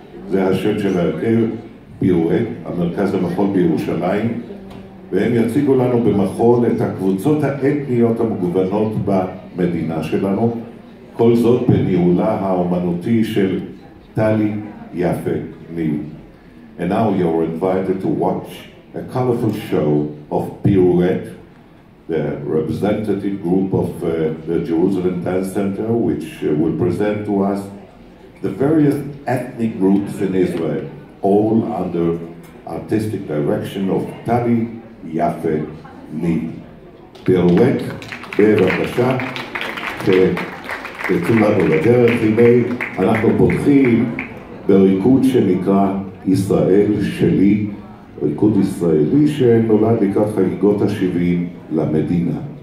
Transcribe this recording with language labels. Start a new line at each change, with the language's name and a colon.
Hebrew: זה השם של ההרכב, פירואט, המרכז המחול בירושלים. והם יציגו לנו במחול את הקבוצות האתניות המגוונות במדינה שלנו. כל זאת בניהולה האומנותי של טלי יפה ניב.
English: And now you are invited to watch a colorful show of Pirouette, the representative group of the Jerusalem Dance Center, which will present to us the various ethnic groups in Israel, all under artistic direction of Tali Yafe Nid.
Hebrew: Pirouette, בבקשה, תצאו לנו לדרך. הנה אנחנו פותחים בריקוד שנקרא ישראל שלי, ריקוד ישראלי שנולד לקראת חגיגות ה-70 למדינה.